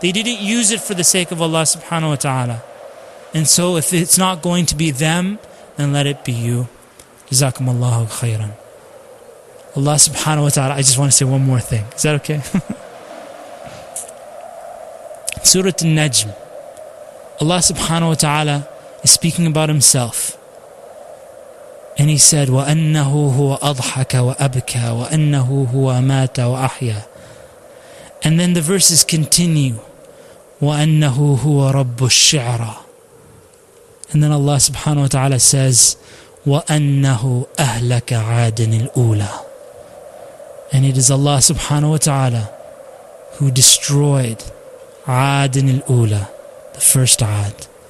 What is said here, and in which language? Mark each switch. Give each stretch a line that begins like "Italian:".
English: They didn't use it for the sake of Allah subhanahu wa ta'ala. And so if it's not going to be them, then let it be you. Jazakum Allahu khairan. Allah subhanahu wa ta'ala, I just want to say one more thing. Is that okay? Surah An-Najm. Allah subhanahu wa ta'ala is speaking about himself. And he said,
Arabic: وَأَنَّهُ هُوَ أَضْحَكَ وَأَبْكَى وَأَنَّهُ هُوَ مَاتَ وَأَحْيَى.
English: And then the verses continue,
Arabic: وَأَنَّهُ هُوَ رَبُّ الشِّعْرَى.
English: And then Allah subhanahu wa ta'ala says,
Arabic: وَأَنَّهُ أَهْلَكَ عَادٍ الْأُولَى.
English: And it is Allah subhanahu wa ta'ala who destroyed
Arabic: عَادٍ الْأُولَى,
English: the first عَاد.